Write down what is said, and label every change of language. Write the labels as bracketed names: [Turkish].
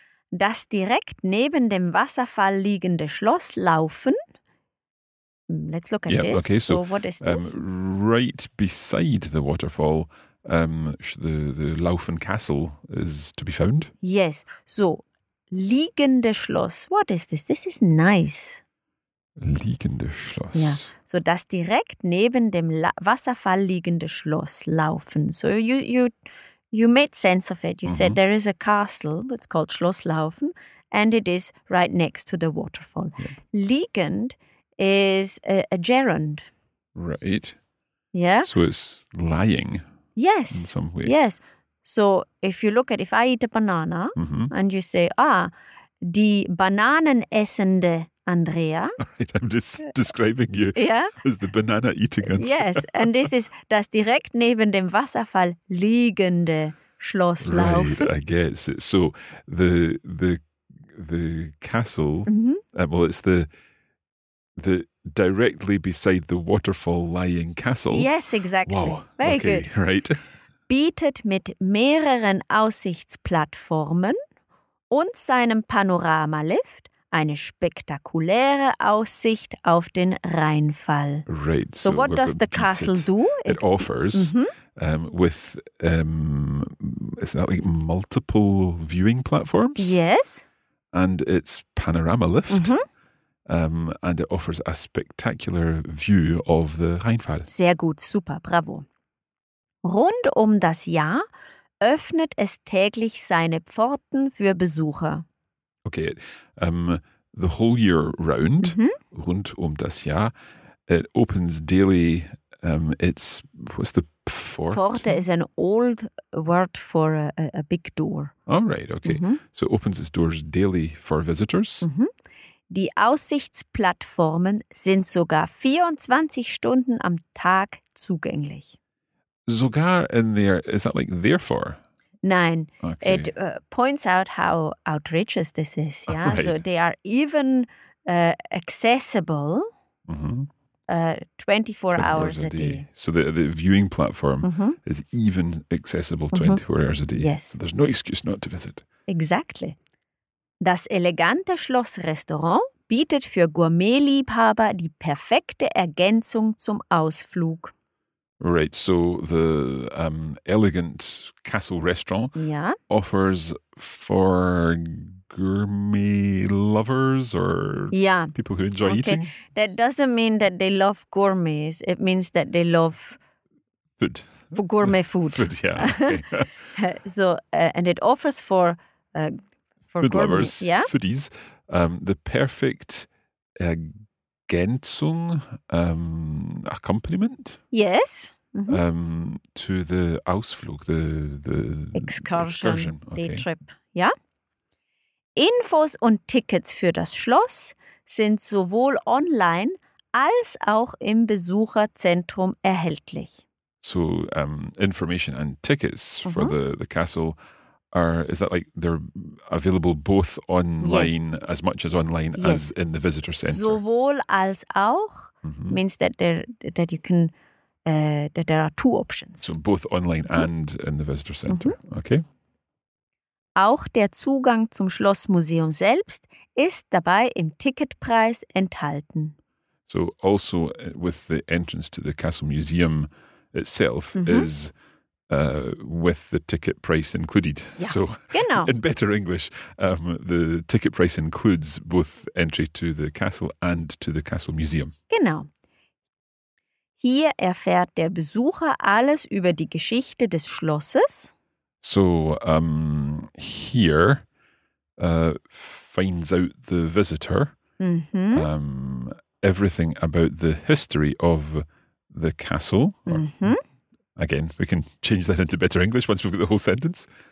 [German] Das direkt neben dem Wasserfall liegende Schloss Laufen. [English] Let's look at this. Okay, so what is this? Right beside the waterfall, the Laufen Castle is to be found. Yes. So, liegende Schloss. What is this? This is nice. [German] Liegende Schloss. [English] Yeah. [German] So, das direkt neben dem Wasserfall liegende Schloss Laufen. So, [English] you made sense of it. You said there is a castle that's called Schloss Laufen, and it is right next to the waterfall. Yeah. Liegend is a gerund. Right. Yeah. So it's lying. Yes. In some way. Yes. So if you look at, if I eat a banana and you say, ah, die Bananenessende Andrea. Right, I'm just describing you as the banana eating Andrea. [German] Yes, and this is das direkt neben dem Wasserfall liegende Schlosslaufen. [English] Right, I guess. So the castle, well, it's the directly beside the waterfall lying castle. Yes, exactly. Wow. Very okay, good. Right. [German] Bietet mit mehreren Aussichtsplattformen und seinem Panoramalift eine spektakuläre Aussicht auf den Rheinfall. [English] Right. So what does the castle do? It offers with, is that like multiple viewing platforms? Yes. And it's panorama lift. And it offers a spectacular view of the Rheinfall. [German] Sehr gut, super, bravo. Rund um das Jahr öffnet es täglich seine Pforten für Besucher. [English] Okay, the whole year round, rund um das Jahr, it opens daily, it's, what's the Pforte? Pforte is an old word for a big door. Oh, right, okay. Mm-hmm. So it opens its doors daily for visitors. Mm-hmm. [German] Die Aussichtsplattformen sind sogar 24 Stunden am Tag zugänglich. [English] Sogar in there, is that like therefore? [German] Nein, [English] okay. It points out how outrageous this is. Yeah, right. So they are even accessible 24 hours a day. So the viewing platform is even accessible 24 hours a day. Yes. So there's no excuse not to visit. Exactly. [German] Das elegante Schlossrestaurant bietet für Gourmetliebhaber die perfekte Ergänzung zum Ausflug. [English] Right, so the elegant castle restaurant offers for gourmet lovers or people who enjoy eating. That doesn't mean that they love gourmets. It means that they love food. For gourmet food. Food, yeah. Okay. So, and it offers for food gourmet, lovers, foodies, the perfect ergänzung, accompaniment. Yes. To the Ausflug, the excursion. Okay. The trip, ja. [German] Infos und Tickets für das Schloss sind sowohl online als auch im Besucherzentrum erhältlich. [English] So, information and tickets for the castle are, is that like they're available both online, as much as online as in the visitor center? Sowohl als auch means that that you can... there are two options. So both online and in the visitor center. Mm-hmm. Okay. [German] Auch der Zugang zum Schlossmuseum selbst ist dabei im Ticketpreis enthalten. [English] So also with the entrance to the castle museum itself is with the ticket price included. [German] Ja, so genau. [English] In better English, the ticket price includes both entry to the castle and to the castle museum. [German] Genau. Hier erfährt der Besucher alles über die Geschichte des Schlosses. [English] So, here finds out the visitor everything about the history of the castle. Again, we can change that into better English once we've got the whole sentence.